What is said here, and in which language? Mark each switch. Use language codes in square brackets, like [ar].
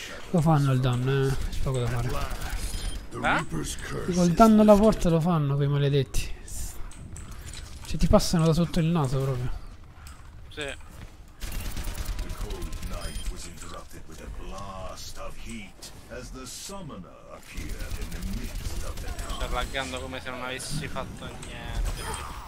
[it] Lo fanno il danno, c'è poco da fare. Dico, il danno alla porta lo fanno quei maledetti. Cioè ti passano da sotto il naso proprio. Sì. [en] The cold night was interrupted with a blast of heat as the summoner appeared in the midst of the night. [it] Sto laggando come se non avessi fatto niente.